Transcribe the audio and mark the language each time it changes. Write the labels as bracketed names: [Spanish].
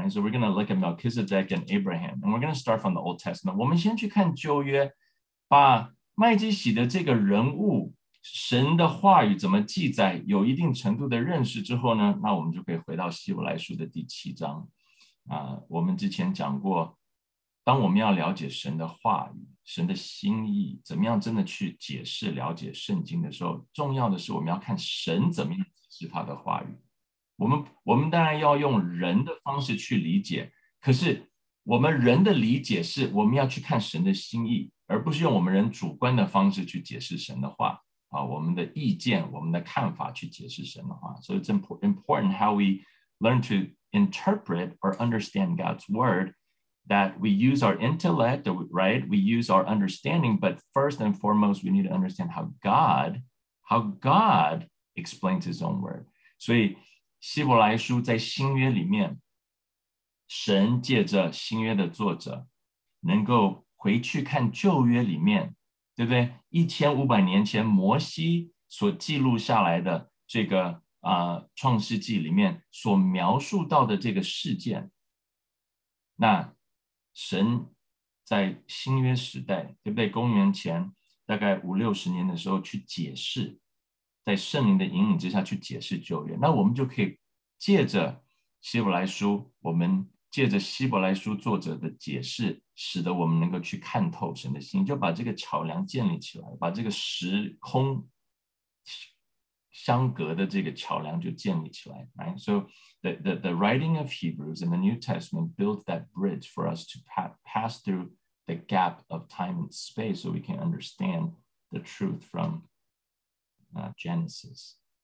[English] Right? So we're going to look at Melchizedek and Abraham, and we're going to start from the Old Testament. [Chinese] 我们先去看旧约，把麦基洗德这个人物，神的话语怎么记载，有一定程度的认识之后呢，那我们就可以回到希伯来书的第七章。我们之前讲过，当我们要了解神的话语，神的心意，怎么样真的去解释了解圣经的时候，重要的是我们要看神怎么样解释他的话语。我们当然要用人的方式去理解，可是我们人的理解是我们要去看神的心意，而不是用我们人主观的方式去解释神的话我们的意见，我们的看法去解释神的话。 [English] So it's important how we learn to interpret or understand God's word, that we use our intellect, right? We use our understanding, but first and foremost, we need to understand how God explains his own word. [Chinese] 所以希伯来书在新约里面，神借着新约的作者能够回去看旧约里面，对不对？ 1500年前摩西所记录下来的这个创世纪里面所描述到的这个事件，那神在新约时代，对不对？公元前大概五六十年的时候去解释，在圣灵的引领之下去解释旧约，那我们就可以借着希伯来书，我们借着希伯来书作者的解释，使得我们能够去看透神的心，就把这个桥梁建立起来，把这个时空相隔的这个桥梁就建立起来。 [English] Right? So the writing of Hebrews in the New Testament builds that bridge for us to pass through the gap of time and space so we can understand the truth from Genesis.